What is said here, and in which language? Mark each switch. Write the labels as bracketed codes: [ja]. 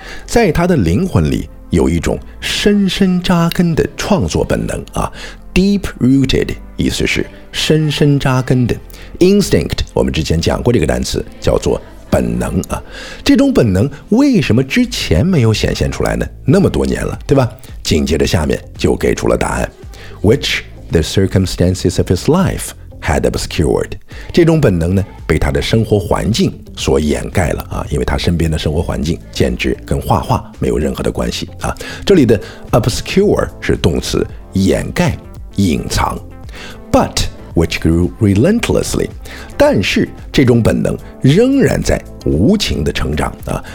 [zh] 在他的灵魂里有一种深深扎根的创作本能啊。 Deep-rooted 意思是深深扎根的。 Instinct 我们之前讲过这个单词，叫做本能啊。这种本能为什么之前没有显现出来呢？那么多年了，对吧？紧接着下面就给出了答案。 [en] Which the circumstances of his life had obscured. [zh] 这种本能呢，被他的生活环境所掩盖了啊，因为他身边的生活环境简直跟画画没有任何的关系啊。这里的 obscure 是动词，掩盖隐藏。 [en] But which grew relentlessly, [zh] 但是这种本能仍然在无情的成长啊。